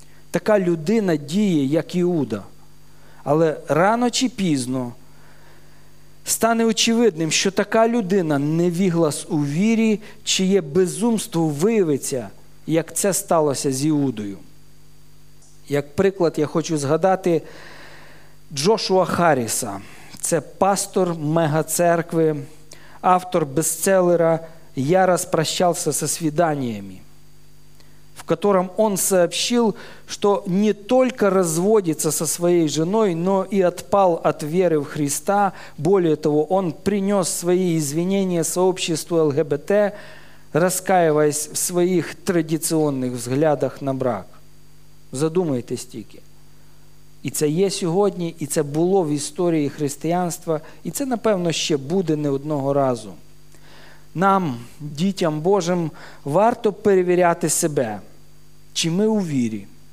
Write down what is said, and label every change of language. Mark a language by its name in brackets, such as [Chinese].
[Ukrainian] Така людина діє, як Іуда. Але рано чи пізно стане очевидним, що така людина невіглас у вірі, чиє безумство виявиться, як це сталося з Іудою. Як приклад, я хочу згадати Джошуа Харріса. Це пастор мегацеркви, автор бестселера [Russian] «Я розпрощався со свиданиями», в котором он сообщил, что не только разводится со своей женой, но и отпал от веры в Христа. Более того, он принес свои извинения сообществу ЛГБТ, раскаиваясь в своих традиционных взглядах на брак. [Ukrainian] Задумайтесь тільки. І це є сьогодні, і це було в історії християнства, і це, напевно, ще буде не одного разу. Нам, дітям Божим, варто перевіряти себе, Чи ми у вірі?